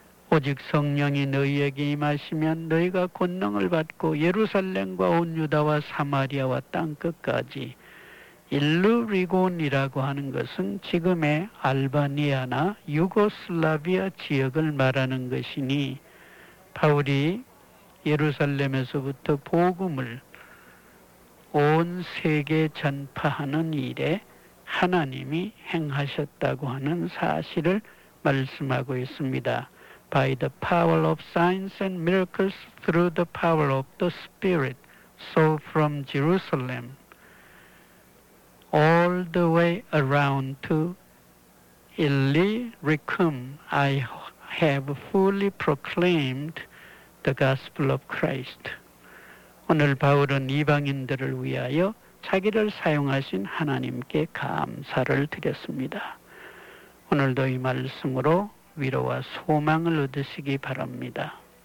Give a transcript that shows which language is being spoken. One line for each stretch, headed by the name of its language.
Korean: 오직 성령이 너희에게 임하시면 너희가 권능을 받고 예루살렘과 온 유다와 사마리아와 땅끝까지, 일루리곤이라고 하는 것은 지금의 알바니아나 유고슬라비아 지역을 말하는 것이니 바울이 예루살렘에서부터 복음을 온 세계 전파하는 일에 하나님이 행하셨다고 하는 사실을 말씀하고 있습니다.
English: By the power of signs and miracles through the power of the Spirit, so from Jerusalem all the way around to Illyricum, I have fully proclaimed the gospel of Christ.
Korean: 오늘 바울은 이방인들을 위하여 자기를 사용하신 하나님께 감사를 드렸습니다. 오늘도 이 말씀으로 위로와 소망을 얻으시기 바랍니다.